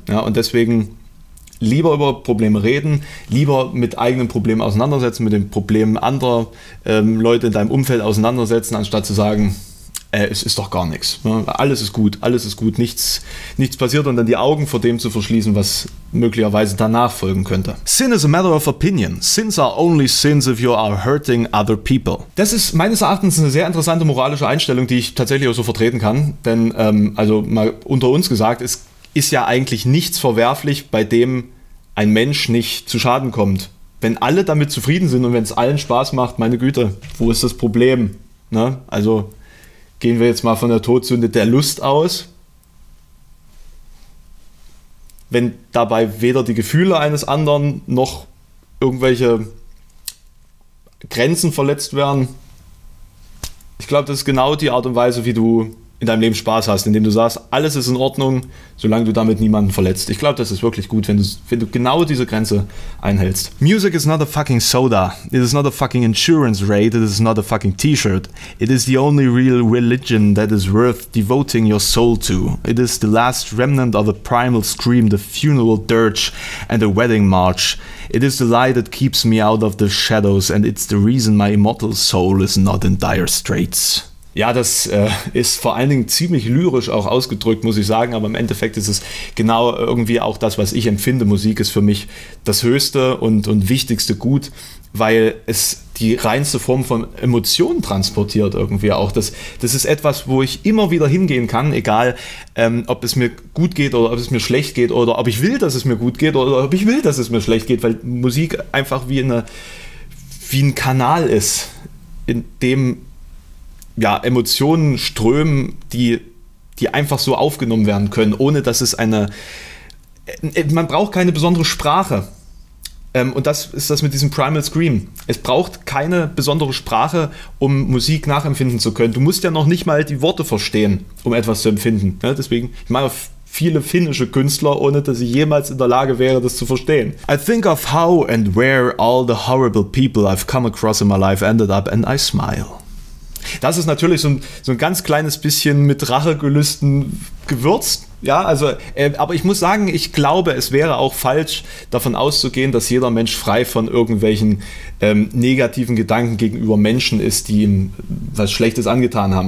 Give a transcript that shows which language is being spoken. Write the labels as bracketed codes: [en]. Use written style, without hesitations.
[de] Ja, und deswegen lieber über Probleme reden, lieber mit eigenen Problemen auseinandersetzen, mit den Problemen anderer Leute in deinem Umfeld auseinandersetzen, anstatt zu sagen, es ist doch gar nichts. Alles ist gut, nichts passiert, und dann die Augen vor dem zu verschließen, was möglicherweise danach folgen könnte. [en] Sin is a matter of opinion. Sins are only sins if you are hurting other people. [de] Das ist meines Erachtens eine sehr interessante moralische Einstellung, die ich tatsächlich auch so vertreten kann. Denn, also mal unter uns gesagt, es ist ja eigentlich nichts verwerflich, bei dem ein Mensch nicht zu Schaden kommt. Wenn alle damit zufrieden sind und wenn es allen Spaß macht, meine Güte, wo ist das Problem? Ne? Also gehen wir jetzt mal von der Todsünde der Lust aus. Wenn dabei weder die Gefühle eines anderen noch irgendwelche Grenzen verletzt werden. Ich glaube, das ist genau die Art und Weise, wie du in deinem Leben Spaß hast, indem du sagst, alles ist in Ordnung, solange du damit niemanden verletzt. Ich glaube, das ist wirklich gut, wenn du genau diese Grenze einhältst. [en] Music is not a fucking soda. It is not a fucking insurance rate. It is not a fucking t-shirt. It is the only real religion that is worth devoting your soul to. It is the last remnant of a primal scream, the funeral dirge and the wedding march. It is the lie that keeps me out of the shadows and it's the reason my immortal soul is not in dire straits. [de] Ja, das ist vor allen Dingen ziemlich lyrisch auch ausgedrückt, muss ich sagen, aber im Endeffekt ist es genau irgendwie auch das, was ich empfinde. Musik ist für mich das höchste und wichtigste Gut, weil es die reinste Form von Emotionen transportiert irgendwie auch. Das ist etwas, wo ich immer wieder hingehen kann, egal ob es mir gut geht oder ob es mir schlecht geht oder ob ich will, dass es mir gut geht oder ob ich will, dass es mir schlecht geht, weil Musik einfach wie ein Kanal ist, in dem ja, Emotionen strömen, die einfach so aufgenommen werden können, ohne dass es man braucht keine besondere Sprache. Und das ist das mit diesem Primal Scream. Es braucht keine besondere Sprache, um Musik nachempfinden zu können. Du musst ja noch nicht mal die Worte verstehen, um etwas zu empfinden. Deswegen, ich meine, viele finnische Künstler, ohne dass ich jemals in der Lage wäre, das zu verstehen. [en] I think of how and where all the horrible people I've come across in my life ended up and I smile. [de] Das ist natürlich so ein ganz kleines bisschen mit Rachegelüsten gewürzt, ja, also, aber ich muss sagen, ich glaube, es wäre auch falsch, davon auszugehen, dass jeder Mensch frei von irgendwelchen negativen Gedanken gegenüber Menschen ist, die ihm was Schlechtes angetan haben.